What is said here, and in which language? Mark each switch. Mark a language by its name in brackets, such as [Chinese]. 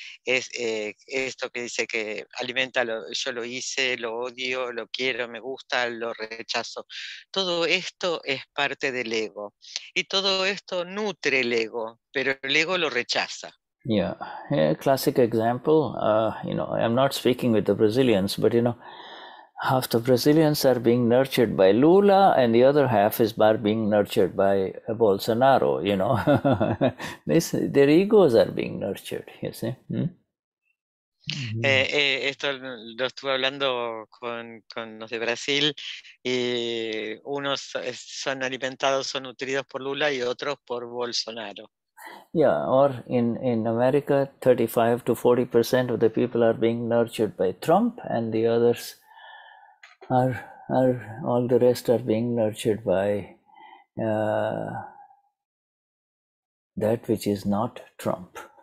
[Spanish] Esto que dice que alimenta, yo lo hice, lo odio, lo quiero, me gusta, lo rechazo. Todo esto es parte del ego. Y todo esto nutre el ego, pero el ego lo rechaza. [English] Yeah, a classic example, I'm not speaking with the Brazilians, but you know, half the Brazilians are being nurtured by Lula and the other half is being nurtured by Bolsonaro, you know. their egos are being nurtured, you see. [Spanish] Esto lo estuve hablando con los de Brasil y unos son alimentados, son nutridos por Lula y otros por Bolsonaro. [English] Yeah, or in America, 35 to 40% of the people are being nurtured by Trump, and the others are all the rest are being nurtured by that which is not Trump.